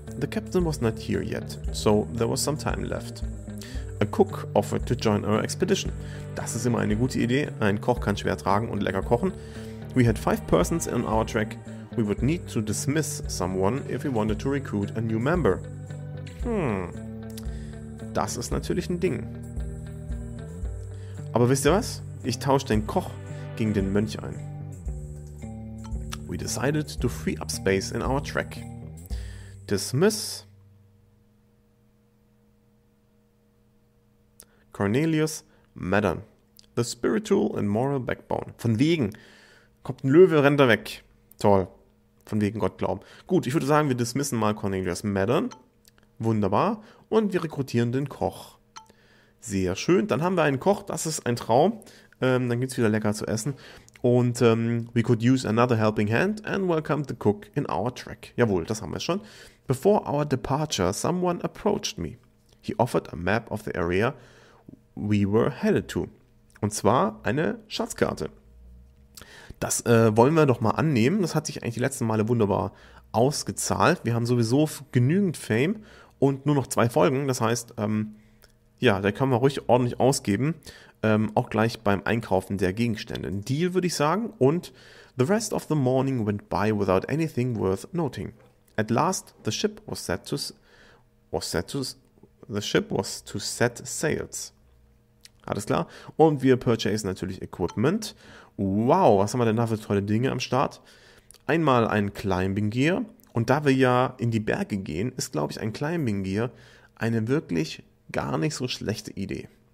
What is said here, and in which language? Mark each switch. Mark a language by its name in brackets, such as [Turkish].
[English] The captain was not here yet, so there was some time left. A cook offered to join our expedition. [German] Das ist immer eine gute Idee. Ein Koch kann schwer tragen und lecker kochen. [English] We had five persons in our track. We would need to dismiss someone if we wanted to recruit a new member. [German] Das ist natürlich ein Ding. Aber wisst ihr was? Ich tausche den Koch gegen den Mönch ein. [English] We decided to free up space in our track. Dismiss Cornelius Maddern. The spiritual and moral backbone. [German] Von wegen. Kommt ein Löwe, rennt er weg. Toll. Von wegen Gott glauben. Gut, ich würde sagen, wir dismissen mal Cornelius Maddern. Wunderbar. Und wir rekrutieren den Koch. Sehr schön. Dann haben wir einen Koch. Das ist ein Traum. Dann gibt es wieder lecker zu essen. [English] Und we could use another helping hand and welcome the cook in our track. [German] Jawohl, das haben wir schon. [English] Before our departure, someone approached me. He offered a map of the area we were headed to. [German] Und zwar eine Schatzkarte. Das wollen wir doch mal annehmen. Das hat sich eigentlich die letzten Male wunderbar ausgezahlt. Wir haben sowieso genügend Fame und nur noch zwei Folgen. Das heißt, ja, da können wir ruhig ordentlich ausgeben, auch gleich beim Einkaufen der Gegenstände. Ein Deal, würde ich sagen. [English] Und the rest of the morning went by without anything worth noting. At last, the ship was set to was set to the ship was to set sails. [German] Alles klar. Und wir purchasen natürlich Equipment. Wow, was haben wir denn da für tolle Dinge am Start? Einmal ein Climbing Gear. Und da wir ja in die Berge gehen, ist, glaube ich, ein Climbing Gear eine wirklich gar nicht so schlechte Idee.